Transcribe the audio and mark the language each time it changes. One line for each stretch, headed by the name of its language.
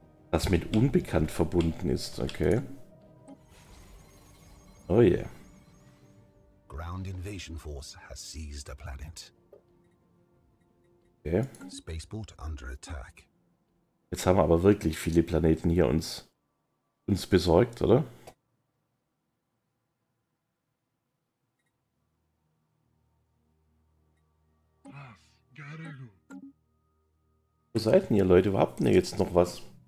German: Das mit unbekannt verbunden ist, okay.
English: Oh yeah. Ground invasion force has seized a planet. Okay. Spaceport under attack.
German: Jetzt haben wir aber wirklich viele Planeten hier uns besorgt, oder? Wo seid denn ihr Leute? Wo habt ihr jetzt noch was?